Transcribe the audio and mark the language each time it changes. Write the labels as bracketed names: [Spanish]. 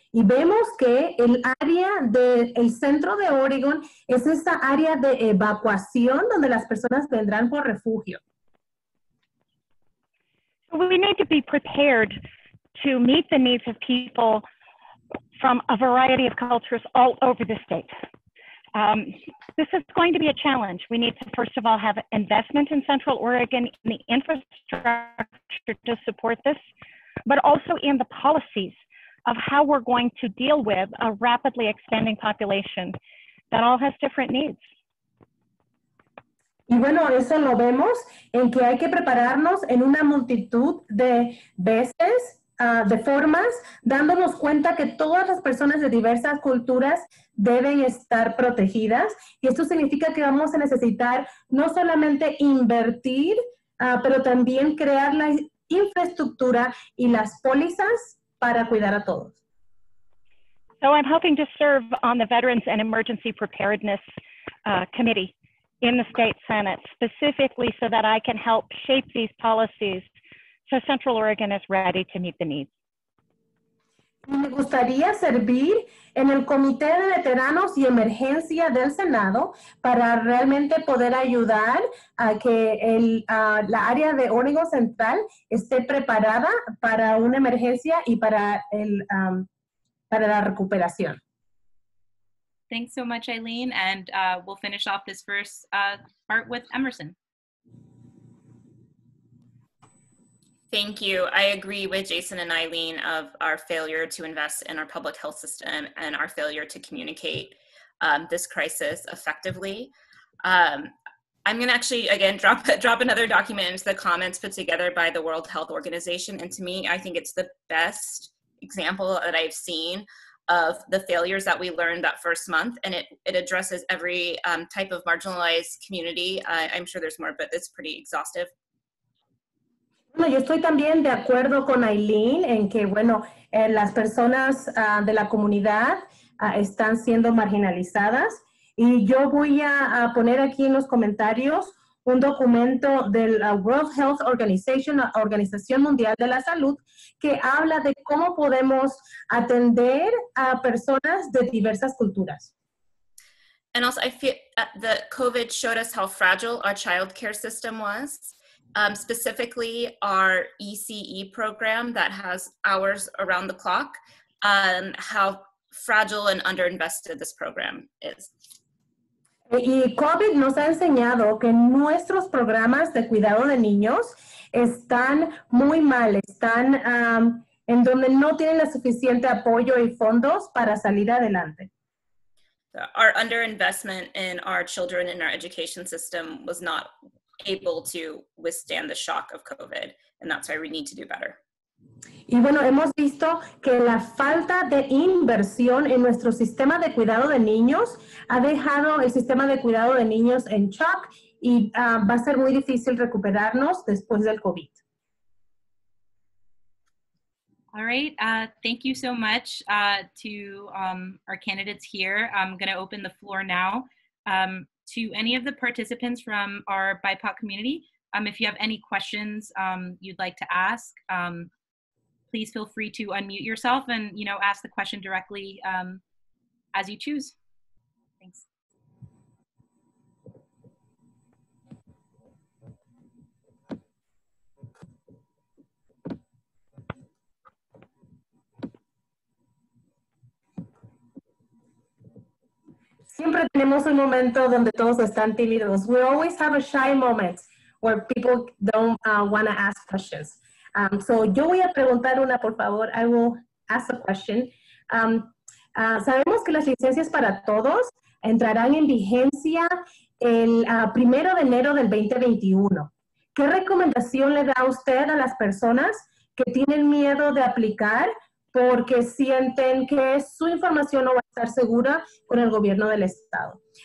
[Spanish] Y vemos que el área del centro de Oregon es esta área de evacuación donde las personas vendrán por refugio. [English] We need to be prepared to meet the needs of people from a variety of cultures all over the state. This is going to be a challenge. We need to, first of all, have investment in Central Oregon in the infrastructure to support this, but also in the policies of how we're going to deal with a rapidly expanding population that all has different needs. [Spanish] Y bueno, eso lo vemos en que hay que prepararnos en una multitud de veces, de formas, dándonos cuenta que todas las personas de diversas culturas deben estar protegidas. Y esto significa que vamos a necesitar no solamente invertir, pero también crear la infraestructura y las pólizas para cuidar a todos. [English] So I'm hoping to serve on the Veterans and Emergency Preparedness Committee in the state senate, specifically so that I can help shape these policies so Central Oregon is ready to meet the needs. [Spanish] Me gustaría servir en el Comité de Veteranos y Emergencia del Senado para realmente poder ayudar a que la área de Oregon Central esté preparada para una emergencia y para la recuperación. [English] Thanks so much, Eileen, and we'll finish off this first part with Emerson. Thank you. I agree with Jason and Eileen of our failure to invest in our public health system and our failure to communicate this crisis effectively. I'm gonna actually, again, drop another document into the comments put together by the World Health Organization, and to me, I think it's the best example that I've seen of the failures that we learned that first month, and it addresses every type of marginalized community. I'm sure there's more, but it's pretty exhaustive. [Spanish] Bueno, yo estoy también de acuerdo con Eileen en que, bueno, las personas de la comunidad están siendo marginalizadas, y yo voy a poner aquí en los comentarios un documento del World Health Organization, Organización Mundial de la Salud, que habla de cómo podemos atender a personas de diversas culturas. [English] And also, I feel that COVID showed us how fragile our childcare system was, specifically our ECE program that has hours around the clock. how fragile and underinvested this program is. [Spanish] Y COVID nos ha enseñado que nuestros programas de cuidado de niños están muy mal, están en donde no tienen la suficiente apoyo y fondos para salir adelante. [English] Our underinvestment in our children in our education system was not able to withstand the shock of COVID, and that's why we need to do better. [Spanish] Y bueno, hemos visto que la falta de inversión en nuestro sistema de cuidado de niños ha dejado el sistema de cuidado de niños en shock y va a ser muy difícil recuperarnos después del COVID. [English] All right, thank you so much to our candidates here. I'm gonna open the floor now to any of the participants from our BIPOC community. If you have any questions you'd like to ask, please feel free to unmute yourself and, you know, ask the question directly as you choose. Thanks. [Spanish] Siempre tenemos un momento donde todos están tímidos. [English] We always have a shy moment where people don't want to ask questions. [Spanish] So yo voy a preguntar una, por favor. [English] I will ask a question. [Spanish] Sabemos que las licencias para todos entrarán en vigencia el primero de enero del 2021. ¿Qué recomendación le da usted a las personas que tienen miedo de aplicar porque sienten que su información no va a estar segura con el gobierno del estado?